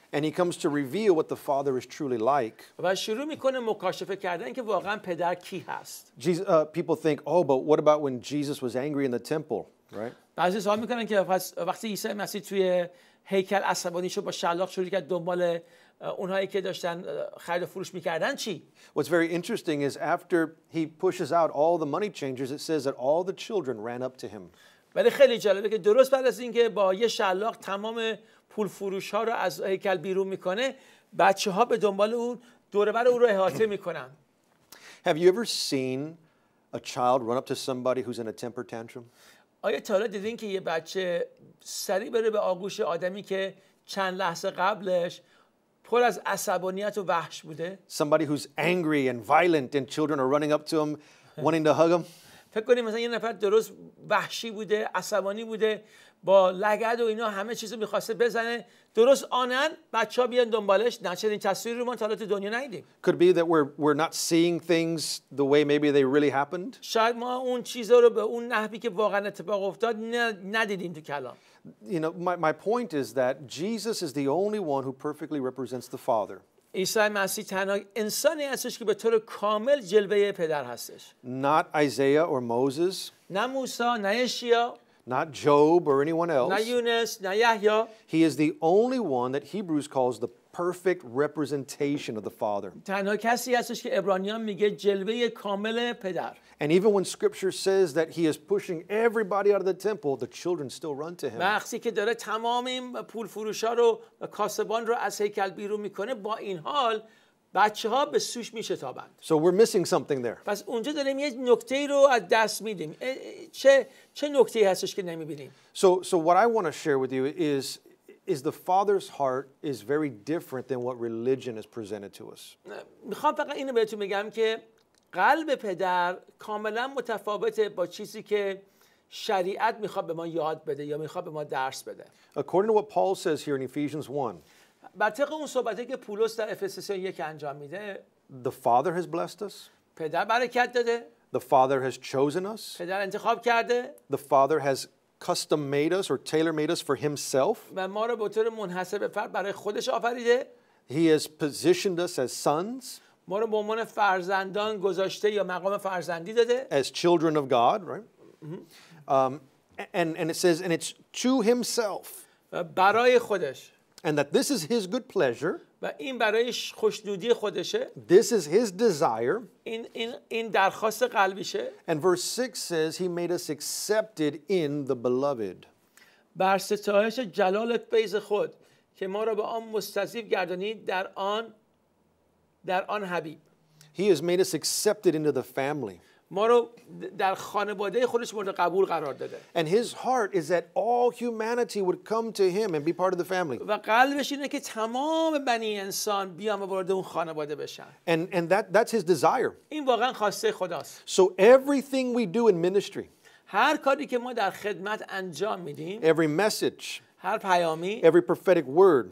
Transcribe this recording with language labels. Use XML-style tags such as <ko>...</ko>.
<en>And he comes to reveal what the Father is truly like.</en> <fa>و شروع میکنه مکاشفه کردن که واقعا پدر کی هست.</fa> <en>People think, "Oh, but what about when Jesus was angry in the temple?" right?</en> <fa>بعضی سوال میکنن که وقتی عیسی مسیح توی هیکل عصبانی شد با شلاق شروع کرد دنبال اونهایی که داشتن خرید و فروش میکردن چی؟</fa> <en>What's very interesting is after he pushes out all the money changers, it says that all the children ran up to him.</en> <fa>ولی خیلی جالبه که درست بعد از اینکه با یه شلاق تمام پول فروش‌ها رو از هیکل بیرون میکنه، بچه‌ها به دنبال اون دوربر او رو احاطه میکنن.</fa> <en>Have you ever seen a child run up to somebody who's in a temper tantrum?</en> <fa>آیا تا حالا دیدین که یه بچه سری بره به آغوش آدمی که چند لحظه قبلش پر از عصبانیت و وحش بوده؟</fa> <en>Somebody who's angry and violent and children are running up to him wanting to hug him.</en> <fa>فکر کنیم مثلا یه نفر درست وحشی بوده، عصبانی بوده، با لگد و اینا همه چیزو می‌خواسته بزنه، درست آنن بچه‌ها بیان دنبالش، نچنین تصویری رو ما تا حالا تو دنیا ندیدیم.</fa> <en>Could be that we're not seeing things the way maybe they really happened.</en> <fa>شاید ما اون چیزا رو به اون نحوی که واقعا اتفاق افتاد ندیدیم تو کلام.</fa> <en>You know, my point is that Jesus is the only one who perfectly represents the Father.</en> <fa>عیسی مسیح تنها انسانی هستش که به طور کامل جلوه پدر هستش.</fa> <en>Not Isaiah or Moses.</en> <fa>نه موسی، نه یشیا.</fa> <en>Not Job or anyone else.</en> <fa>نه یونس، نه یحیی.</fa> <en>He is the only one that Hebrews calls the perfect representation of the Father.</en> <fa>تنها کسی هستش که عبرانیان میگه جلوه کامل پدر.</fa> <en>And even when scripture says that he is pushing everybody out of the temple, the children still run to him.</en> <fa>وقتی که داره تمام این پول فروشا رو و کاسبان رو از هیکل بیرون میکنه با این حال بچه‌ها به سوش میشتابند.</fa> <en>So we're missing something there.</en> <fa>پس اونجا داریم یه نکته رو از دست میدیم. چه نکته‌ای هستش که نمیبینیم؟</fa> <en>So what I want to share with you is the Father's heart is very different than what religion has presented to us.</en> <fa>میخوام فقط اینو بهتون بگم که قلب پدر کاملا متفاوته با چیزی که شریعت میخواد به ما یاد بده یا میخواد به ما درس بده.</fa> <en>According to what Paul says here in Ephesians 1.</en> <fa>بر طبق اون صحبته که پولس در افسسیان 1 انجام میده.</fa> <en>The Father has blessed us.</en> <fa>پدر برکت داده.</fa> <en>The Father has chosen us.</en> <fa>پدر انتخاب کرده.</fa> <en>The Father has custom made us or tailor made us for himself.</en> <fa>و ما رو به طور منحصر به فرد برای خودش آفریده.</fa> <en>He has positioned us as sons.</en> <fa>ما رو به عنوان فرزندان گذاشته یا مقام فرزندی داده.</fa> <en>As children of God, right? And it says, and it's to himself.</en> <fa>برای خودش.</fa> <en>And that this is his good pleasure.</en> <fa>و این برایش خوشنودی خودشه.</fa> <en>This is his desire.</en> <fa>این درخواست قلبیشه.</fa> <en>And verse 6 says, he made us accepted in the beloved.</en> <fa>بر ستایش جلال فیض خود که ما رو به آن مستضیف گردانید در آن حبیب.</fa> <en>He has made us accepted into the family.</en> <fa>ما رو در خانواده خودش مورد قبول قرار داده.</fa> <en>And his heart is that all humanity would come to him and be part of the family.</en> <fa>و قلبش اینه که تمام بنی انسان بیام وارد اون خانواده بشن.</fa> <en>And that's his desire.</en> <fa>این واقعا خواسته خداست.</fa> <en>So everything we do in ministry.</en> <fa>هر کاری که ما در خدمت انجام میدیم.</fa> <en>Every message.</en> <fa>هر پیامی،</fa> <en>every prophetic word,</en>